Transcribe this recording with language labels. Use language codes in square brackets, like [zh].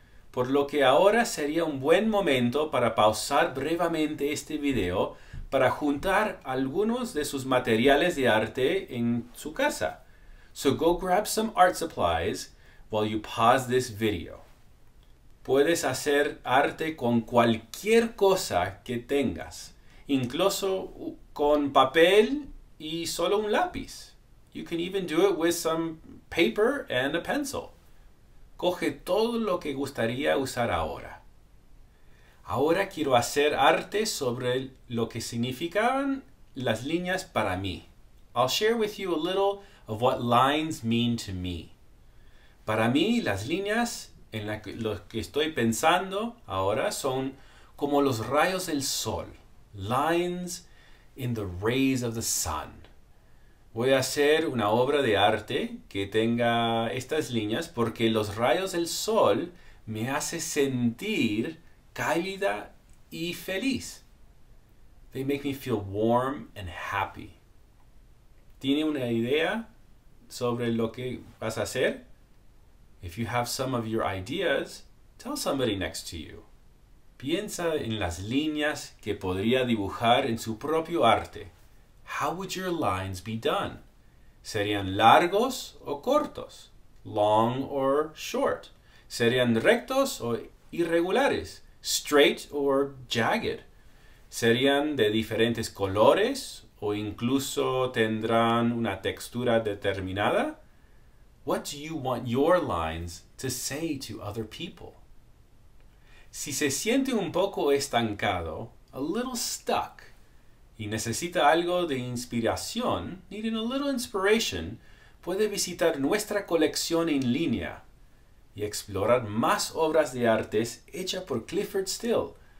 [es] Por lo que ahora sería un buen momento para pausar brevemente este video para juntar algunos de sus materiales de arte en su casa. [en] So go grab some art supplies while you pause this video. [es] Puedes hacer arte con cualquier cosa que tengas, incluso con papel y solo un lápiz. [en] You can even do it with some paper and a pencil. [es] Coge todo lo que gustaría usar ahora. Ahora quiero hacer arte sobre lo que significaban las líneas para mí. [en] I'll share with you a little of what lines mean to me. [es] Para mí, las líneas en las que estoy pensando ahora son como los rayos del sol. [en] Lines in the rays of the sun. [es] Voy a hacer una obra de arte que tenga estas líneas porque los rayos del sol me hace sentir cálida y feliz. [en] They make me feel warm and happy. [es] ¿Tiene una idea sobre lo que vas a hacer? [en] If you have some of your ideas, tell somebody next to you. [es] Piensa en las líneas que podría dibujar en su propio arte. [en] How would your lines be done? [es] ¿Serían largos o cortos? [en] Long or short? [es] ¿Serían rectos o irregulares? [en] Straight or jagged? [es] ¿Serían de diferentes colores o incluso tendrán una textura determinada? [en] What do you want your lines to say to other people? [es] Si se siente un poco estancado, [en] a little stuck, [es] y necesita algo de inspiración, [en] needing a little inspiration, [es] puede visitar nuestra colección en línea y explorar más obras de artes hechas por Clyfford Still.